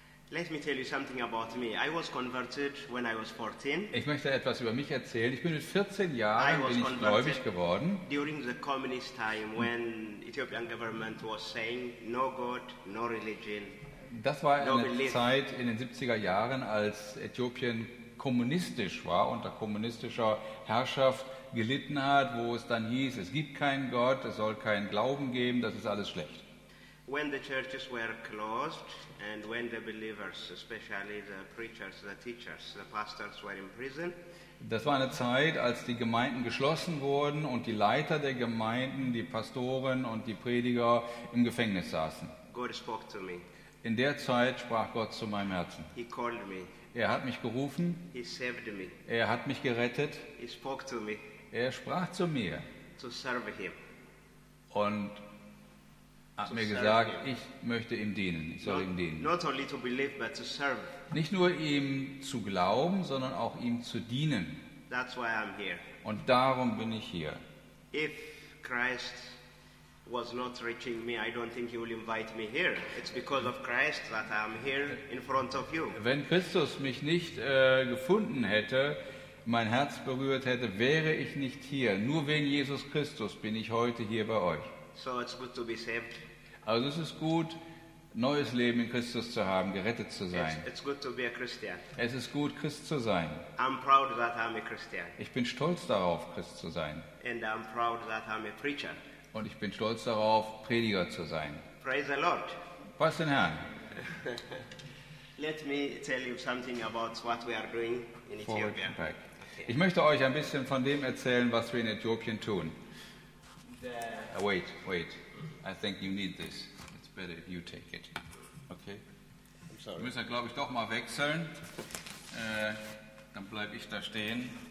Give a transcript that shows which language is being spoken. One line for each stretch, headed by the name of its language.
English: Let me tell you something about me. I was converted when I was 14.
German: Ich möchte etwas über mich erzählen. Ich bin mit 14 Jahren bin ich gläubig geworden.
English: During the communist time when Ethiopian government was saying no God, no religion.
German: Das war eine Zeit in den 70er Jahren, als Äthiopien kommunistisch war, unter kommunistischer Herrschaft gelitten hat, wo es dann hieß, es gibt keinen Gott, es soll keinen Glauben geben, das ist alles schlecht.
English: When the churches were closed and when the believers, especially the preachers, the teachers, the pastors were in prison.
German: Das war eine Zeit, als die Gemeinden geschlossen wurden und die Leiter der Gemeinden, die Pastoren und die Prediger im Gefängnis saßen.
English: God spoke to me.
German: In der Zeit sprach Gott zu meinem Herzen.
English: He called me.
German: Er hat mich gerufen.
English: He saved me.
German: Er hat mich gerettet.
English: He spoke to me.
German: Er sprach zu mir.
English: To serve him.
German: Und hat mir gesagt, ich möchte ihm dienen, ich soll ihm dienen.
English: Not only to believe, but to serve.
German: Nicht nur ihm zu glauben, sondern auch ihm zu dienen.
English: That's why I'm here.
German: Und darum bin ich hier.
English: If Christ was not reaching me, I don't think he will invite me here. It's because of Christ that I'm here in front of you.
German: Wenn Christus mich nicht gefunden hätte, mein Herz berührt hätte, wäre ich nicht hier. Nur wegen Jesus Christus bin ich heute hier bei euch.
English: So it's good to be saved.
German: Also es ist gut, neues Leben in Christus zu haben, gerettet zu sein.
English: It's good to be a Christian.
German: Es ist gut, Christ zu sein.
English: I'm proud that I'm a Christian.
German: Ich bin stolz darauf, Christ zu sein.
English: And I'm proud that I'm a preacher.
German: Und ich bin stolz darauf, Prediger zu sein.
English: Praise the Lord.
German: Preist den Herrn.
English: Let me tell you something about what we are doing in Ethiopia. Okay.
German: Ich möchte euch ein bisschen von dem erzählen, was wir in Äthiopien tun.
English: Wait. I think you need this. It's better if you take it. Okay. I'm sorry.
German: Wir müssen, glaube ich, doch mal wechseln. dann bleib ich da stehen.